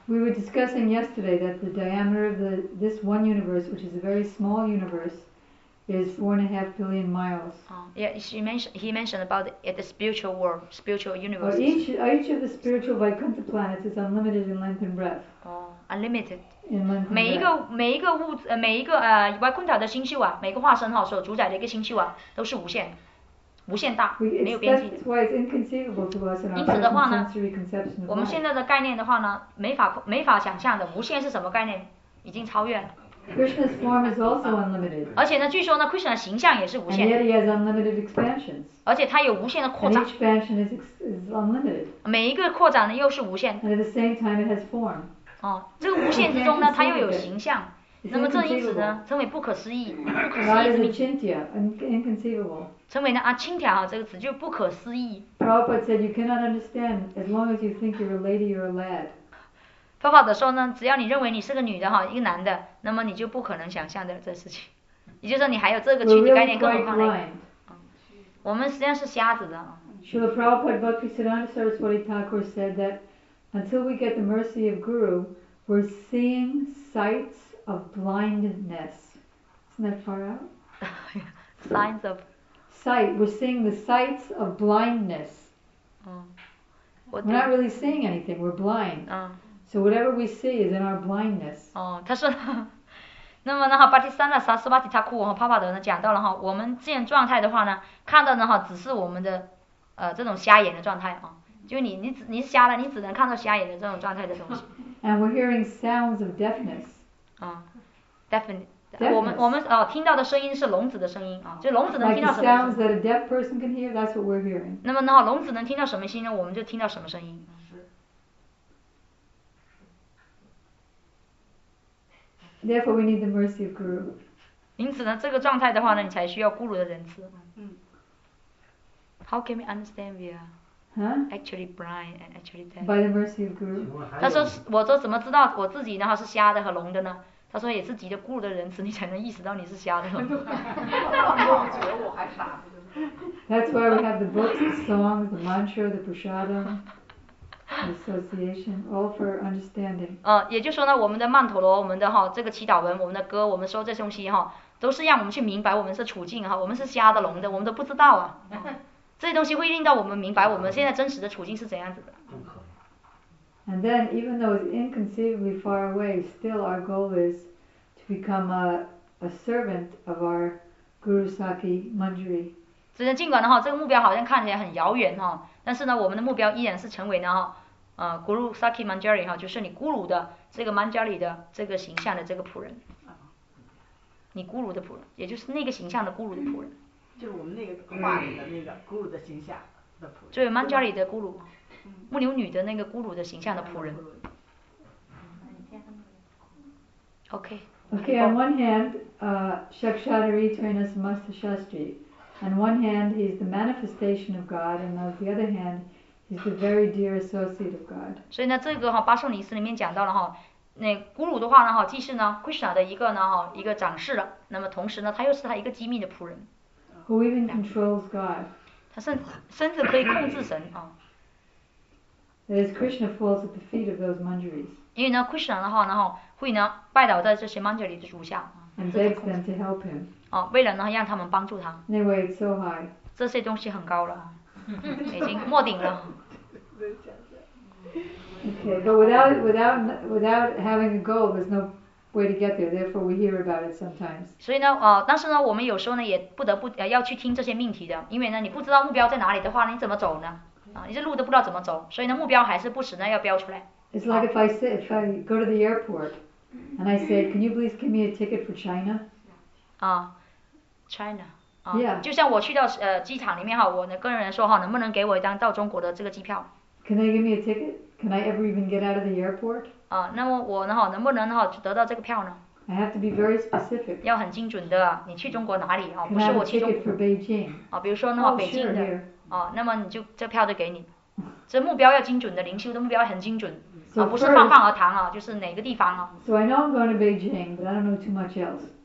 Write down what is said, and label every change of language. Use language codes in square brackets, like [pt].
[en] ？We were discussing yesterday that the diameter of this one universe, which is a very small universe, is 4.5 billion miles. He mentioned about the spiritual world, spiritual universe. Each of the spiritual Vaikuntha planets is unlimited in length and breadth. Unlimited. [zh] 每一个物质，每一个Vaikuntha的星宿啊，每个化身哈所主宰的一个星宿啊，都是无限，无限大，没有边际。 [en] That's why it's inconceivable to us in our sensory conception of life. [zh] 因此的话呢，我们现在的概念的话呢，没法想象的无限是什么概念，已经超越了。 [en] Krishna's form is also unlimited. [zh] 而且呢，据说呢 ，Krishna 形象也是无限。 [en] And yet he has unlimited expansions. [zh] 而且他有无限的扩展。 [en] And each expansion is unlimited. [zh] 每一个扩展呢又是无限。 [en] And at the same time it has form. [zh] 哦，这个无限之中呢，它又有形象，那么这因此呢，称为不可思议，不可思议之名。 [en] Inconceivable. [zh] 称为呢啊，轻佻啊，这个词就不可思议。 [en] Prabhupada said you cannot understand as long as you think you're a lady or a lad. [zh] 佛法的说呢，只要你认为你是个女的哈，一个男的，那么你就不可能想象的这事情，也就是说你还有这个群体概念，更何况那个。我们实际上是瞎子的。 [en] Srila Prabhupada Bhaktisiddhanta Saraswati Thakur said that. Until we get the mercy of Guru, we're seeing sights of blindness. Isn't that far out? Signs of sight. We're seeing the sights of blindness. We're not really seeing anything. We're blind. So whatever we see is in our blindness. [zh] 他说，那么呢哈，巴提三的萨斯巴提塔库和帕帕德呢讲到了哈，我们这种状态的话呢，看到的哈只是我们的这种瞎眼的状态啊。就你瞎了，你只能看到瞎眼的这种状态的东西。 [en] And we're hearing sounds of deafness. Deafness. [zh] 我们听到的声音是聋子的声音啊，就聋子能听到什么 [en] ？Like the sounds that a deaf person can hear, that's what we're hearing. [zh] 那么呢，聋子能听到什么声音呢？我们就听到什么声音。 [en] Therefore, we need the mercy of Guru. [zh] 因此呢，这个状态的话呢，你才需要咕噜的仁慈。嗯。 [en] How can we understand we are? Huh? Actually blind and actually deaf. By the mercy of Guru. [zh] 他说，我说怎么知道我自己呢？是瞎的和聋的呢？他说也是急得咕噜的仁慈，你才能意识到你是瞎的。 [en] That's why we have the books, the songs, the mantra, the prasadam, the association, all for understanding. [zh] 也就是说呢，我们的曼陀罗，我们的哈这个祈祷文，我们的歌，我们说这东西哈，都是让我们去明白我们是处境哈，我们是瞎的聋的，我们都不知道啊。这些东西会令到我们明白我们现在真实的处境是怎样子的。 [en] And then, even though it's inconceivably far away, still our goal is to become a servant of our Guru Sakhi Manjari. [zh] 所以尽管的话，这个目标好像看起来很遥远哈，但是呢，我们的目标依然是成为呢Guru Sakhi Manjari 哈，就是你咕噜的这个 Manjari 的这个形象的这个仆人。你咕噜的仆人，也就是那个形象的咕噜的仆人。就是我们那个画里的那个咕噜的形象的仆人。就是曼加里的咕噜，牧牛女的那个咕噜的形象的仆人。 [en] Okay. Okay, on one hand, Shakshadari Trinas Masta Shastri. On one hand, he's the manifestation of God, and on the other hand, he's the very dear associate of God. [zh] 所以呢，这个哈巴圣尼斯里面讲到了哈，那古鲁的话呢哈，既是呢 Krishna 的一个呢哈一个掌事，那么同时呢，他又是他一个机密的仆人。 [en] Who even controls God? [zh] 他甚至可以控制神啊。 [en] As Krishna falls at the feet of those manjaris. [zh] 因为呢 ，Krishna 的话呢哈，会呢拜倒在这些 manjari 的足下。 [en] And begs them to help him. [zh] 哦，为了呢让他们帮助他。 [en] They weigh so high. [zh] 这些东西很高了。已经末顶了。 [en] Okay, but without having a goal, there's no way to get there. Therefore, we hear about it sometimes. [zh] 所以呢，但是呢，我们有时候呢，也不得不要去听这些命题的，因为呢，你不知道目标在哪里的话，你怎么走呢？你这路都不知道怎么走，所以呢，目标还是不时呢要标出来。 [en] It's like if I go to the airport, and I say, can you please give me a ticket for China? China. Yeah. [zh] 就像我去到机场里面哈，我呢跟人说哈，能不能给我一张到中国的这个机票 [en] ？Can they give me a ticket? Can I ever even get out of the airport? [zh] 啊，那么我呢哈，能不能哈得到这个票呢 [en] ？I have to be very specific. [zh] 要很精准的，你去中国哪里哈？不是我去中国。 [en] Can I have a ticket for Beijing? [zh] 啊，比如说呢哈，北京的。 [en] Oh, sure, here. [zh] 啊，那么你就这票就给你，这目标要精准的，灵修的目标要很精准。 [en] So、 [zh] 啊，不是泛泛而谈啊，就是哪个地方啊 [en] ？So I know I'm going to Beijing, but I don't know too much else.